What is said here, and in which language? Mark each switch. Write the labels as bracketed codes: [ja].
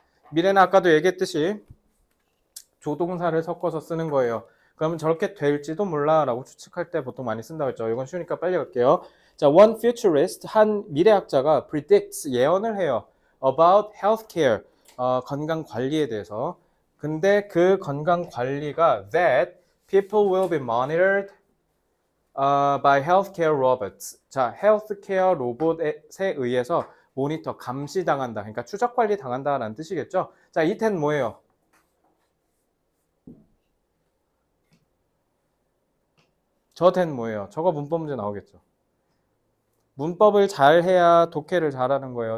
[ko] 미래는 아까도 얘기했듯이 조동사를 섞어서 쓰는 거예요. 그러면 저렇게 될지도 몰라 라고 추측할 때 보통 많이 쓴다고 했죠. 이건 쉬우니까 빨리 갈게요. 자, [en] one futurist, [ko] 한 미래학자가 predicts, 예언을 해요. [en] about healthcare, [ko] 건강관리에 대해서. 근데 그 건강관리가 [en] that people will be monitored by healthcare robots. [ko] 자, healthcare 로봇에 의해서 모니터, 감시당한다. 그러니까 추적관리 당한다라는 뜻이겠죠. 자, 이텐 뭐예요? 저텐 뭐예요? 저거 문법 문제 나오겠죠. 문법을 잘해야 독해를 잘하는 거예요.